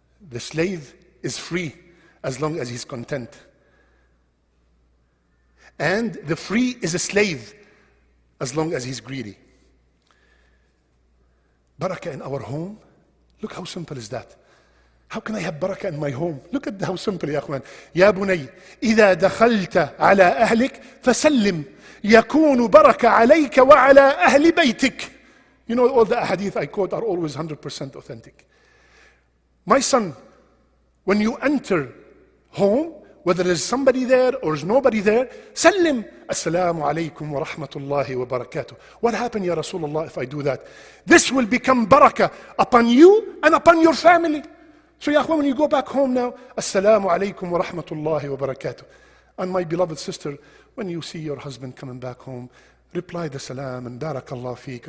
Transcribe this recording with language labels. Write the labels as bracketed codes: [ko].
[en] The slave is free as long as he's content. And the free is a slave as long as he's greedy. Barakah in our home? Look how simple is that. How can I have barakah in my home? Look at how simple, ya akhwan. [ar] Ya bunay, إذا دخلت على أهلك فسلم يكون بركة عليك وعلى أهل بيتك. [en] You know, all the ahadith I quote are always 100% authentic. My son, when you enter home, whether there's somebody there or there's nobody there, [ar] سلم. السلام عليكم ورحمة الله وبركاته. [en] What happened, ya Rasulullah, if I do that? This will become baraka upon you and upon your family. So, ya akhwan, when you go back home now, [ar] السلام عليكم ورحمة الله وبركاته. [en] And my beloved sister, when you see your husband coming back home, reply the salam and [ar] بارك الله فيك.